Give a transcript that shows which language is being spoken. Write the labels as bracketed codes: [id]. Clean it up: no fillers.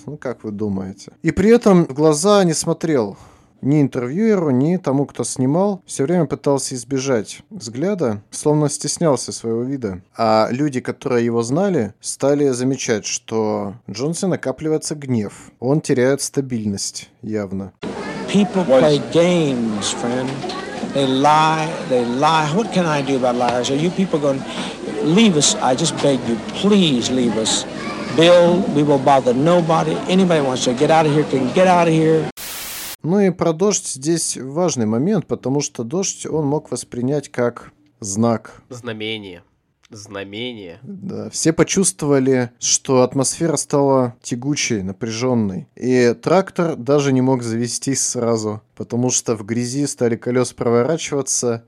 [ru] Ну как вы думаете? И при этом в глаза не смотрел ни интервьюеру, ни тому, кто снимал. Все время пытался избежать взгляда, словно стеснялся своего вида. А люди, которые его знали, стали замечать, что в Джонсе накапливается гнев. Он теряет стабильность явно. [en] People play games, friend. They lie, they lie. What can I do about liars? Are you people going, leave us, I just beg you, please leave us. Bill, we will bother nobody. Anybody wants to get out of here, can get out of here. [ru] Ну и про дождь здесь важный момент, потому что дождь он мог воспринять как знак. Знамение. Знамение. Да, все почувствовали, что атмосфера стала тягучей, напряженной. И трактор даже не мог завестись сразу, потому что в грязи стали колеса проворачиваться.